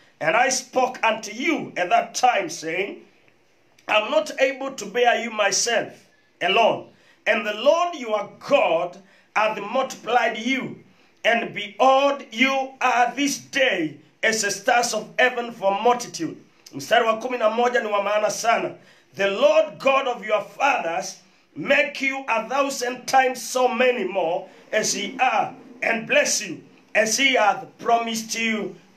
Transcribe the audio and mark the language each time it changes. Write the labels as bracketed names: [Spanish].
[English] "And I spoke unto you at that time, saying, I am not able to bear you myself alone. And the Lord your God hath multiplied you, and behold, you are this day as the stars of heaven for multitude." [Swahili] Mstari wa 11 ni wa maana sana. [English] "The Lord God of your fathers make you 1,000 times so many more as he are, and bless you as he hath promised you."